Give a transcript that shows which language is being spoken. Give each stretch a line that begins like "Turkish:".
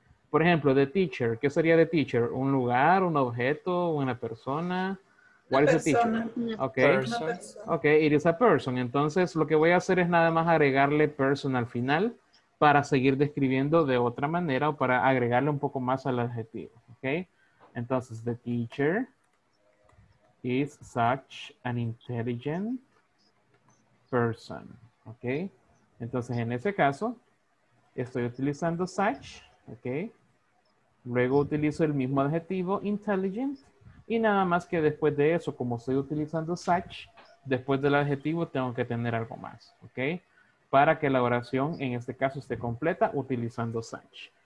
Spanish: Por ejemplo, the teacher. ¿Qué sería the teacher? ¿Un lugar, un objeto, una persona? ¿Cuál es the teacher? Okay.
English: Ok, it is a person.
Spanish: Entonces, lo que voy a hacer es nada más agregarle person al final para seguir describiendo de otra manera o para agregarle un poco más al adjetivo, ¿ok? Entonces,
English: the teacher is such an intelligent person, ok.
Spanish: Entonces, en ese caso, estoy utilizando such, ok. Luego utilizo el mismo adjetivo, intelligent, y nada más que después de eso, como estoy utilizando such, después del adjetivo tengo que tener algo más, ok, para que la oración en este caso esté completa utilizando such.